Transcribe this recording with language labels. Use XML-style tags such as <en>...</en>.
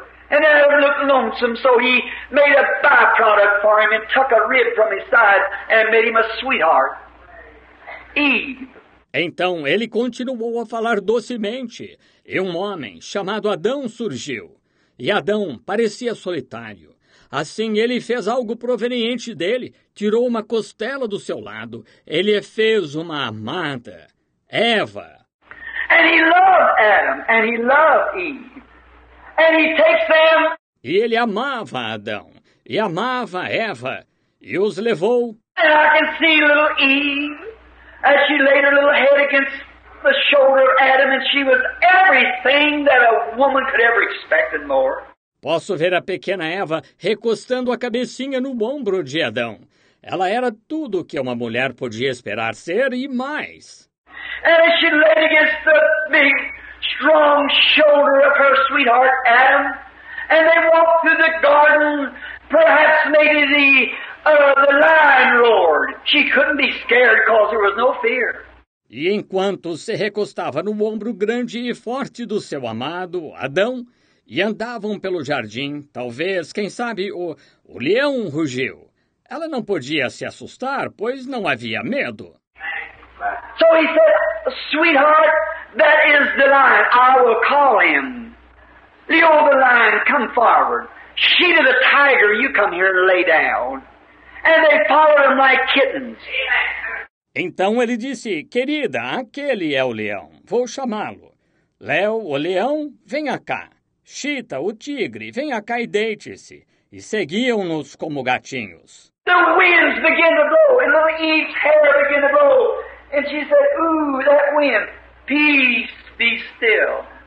<en>And Adam looked lonesome, so he made a byproduct for him and took a rib from his side and made him a sweetheart. Eve.</en> <pt>Então ele continuou a falar docemente. E um homem chamado Adão surgiu. E Adão parecia solitário. Assim ele fez algo proveniente dele, tirou uma costela do seu lado. Ele fez uma amada, Eva.</pt> <en>And he loved Adam, and he loved Eve. And he takes them.</en> <pt>E ele amava Adão, e amava Eva, e os levou.</pt> <en>And I can see little Eve as she laid her little head against the shoulder of Adam, and she was everything that a woman could ever expect and more.</en> <pt>Posso ver a pequena Eva recostando a cabecinha no ombro de Adão. Ela era tudo o que uma mulher podia esperar ser e mais.</pt> <en>And as she laid against the big, strong shoulder of her sweetheart, Adam, and they walked through the garden, perhaps maybe the lion roared. She couldn't be scared because there was no fear.</en> <pt>E enquanto se recostava no ombro grande e forte do seu amado, Adão, e andavam pelo jardim, talvez, quem sabe, o leão rugiu. Ela não podia se assustar, pois não havia medo.</pt> <en>So he said, sweetheart, that is the lion. I will call him. Leo the lion, come forward. Sheeta the tiger, you come here and lay down. And they followed him like kittens.</en> <pt>Então ele disse, querida, aquele é o leão. Vou chamá-lo. Leo, o leão, venha cá. Sheeta, o tigre, venha cá e deite-se. E seguiam-nos como gatinhos.</pt> <en>The winds began to blow, and little Eve's hair began to blow. And she said, ooh, that wind, peace, be still.</en>